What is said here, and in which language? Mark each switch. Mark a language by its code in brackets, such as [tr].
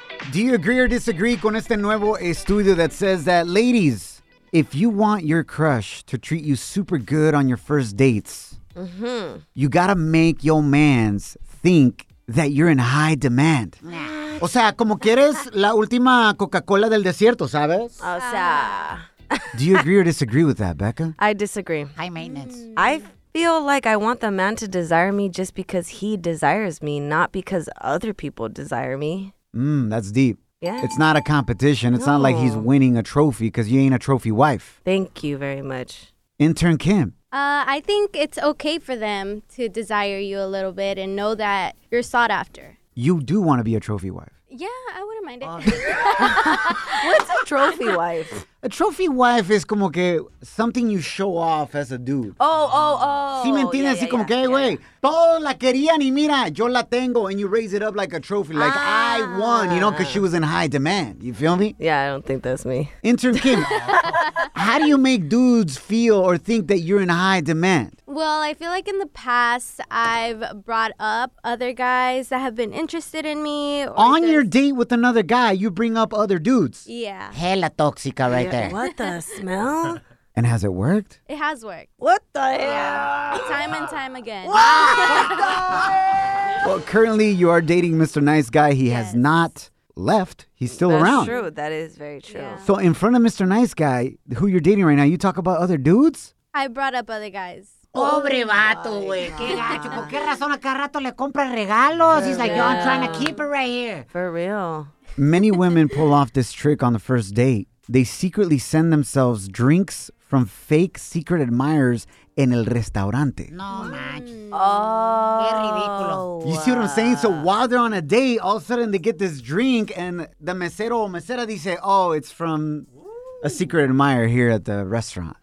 [en] Do you agree or disagree [es] con este nuevo estudio [en] that says that, ladies, if you want your crush to treat you super good on your first dates, you gotta make your mans think that you're in high demand. Nah. [es] O sea, como quieres la última Coca-Cola del desierto, ¿sabes? O sea. [en] Do you agree or disagree with that, Becca? I disagree. High maintenance. I feel like I want the man to desire me just because he desires me, not because other people desire me. That's deep. Yeah. It's not a competition. It's not like he's winning a trophy because you ain't a trophy wife. Thank you very much. Intern Kim. I think it's okay for them to desire you a little bit and know that you're sought after. You do want to be a trophy wife. Yeah, I wouldn't mind it. What's a trophy wife? A trophy wife is [es] como que [en] something you show off as a dude. Oh. [es] Si me entiendes, así como que, güey, todo la querían y mira, yo la tengo. [en] And you raise it up like a trophy, like I won, you know, because she was in high demand. You feel me? Yeah, I don't think that's me. Intern Kim, how do you make dudes feel or think that you're in high demand? Well, I feel like in the past, I've brought up other guys that have been interested in me. On your date with another guy, you bring up other dudes. Yeah. Hella toxica, right? Right there. What the smell? And has it worked? It has worked. What the hell? Time and time again. What the Well, currently you are dating Mr. Nice Guy. He has not left. He's still That's around. That's true. That is very true. Yeah. So in front of Mr. Nice Guy, who you're dating right now, you talk about other dudes? I brought up other guys. [es] Pobre vato, güey. Qué gacho. ¿Por qué razón a cada rato le compra regalos? [en] He's like, yo, I'm trying to keep it right here. For real. Many women pull off this trick on the first date. They secretly send themselves drinks from fake secret admirers [es] en el restaurante. No, manches. Oh. Qué ridículo. [en] You see what I'm saying? So while they're on a date, all of a sudden they get this drink and the [es] mesero o mesera dice, [en] oh, it's from a secret admirer here at the restaurant.